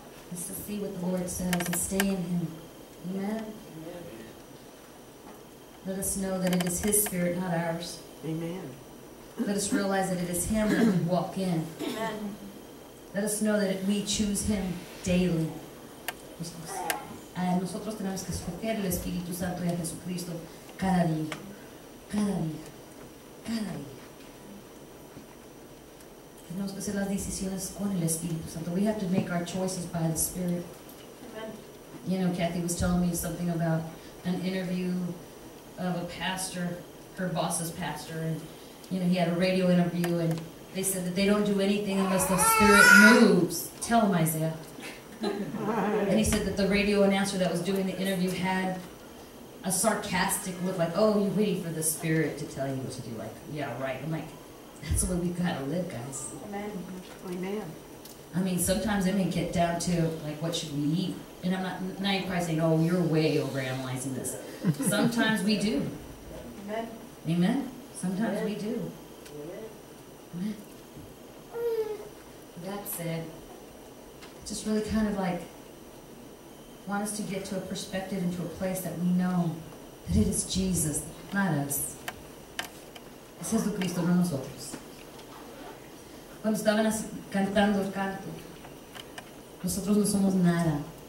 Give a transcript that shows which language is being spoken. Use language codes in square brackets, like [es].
[en] Let's just see what the Lord says and stay in him. Amen? Amen. Let us know that it is his Spirit, not ours. Amen. Let us realize that it is him that we walk in. Amen. Let us know that we choose him daily. [es] Nosotros tenemos que escoger el Espíritu Santo y a Jesucristo cada día. Cada día. Cada día. Tenemos que hacer las decisiones con el Espíritu Santo. [en] We have to make our choices by the Spirit. Amen. You know, Kathy was telling me something about an interview of a pastor, her boss's pastor, and you know, he had a radio interview, and they said that they don't do anything unless the Spirit moves. Tell him, Isaiah. And he said that the radio announcer that was doing the interview had a sarcastic look, like, oh, you're waiting for the Spirit to tell you what to do. Like, yeah, right. I'm like, that's the way we've got to live, guys. Amen. Amen. I mean, sometimes it may get down to, like, what should we eat? And I'm not even probably saying, oh, you're way overanalyzing this. Sometimes we do. Amen. Amen. Sometimes we do. Amen. That said, just really kind of like want us to get to a perspective and to a place that we know that it is Jesus, not us. [es] Es Jesucristo, no nosotros. Cuando estaban cantando el canto, nosotros no somos nada.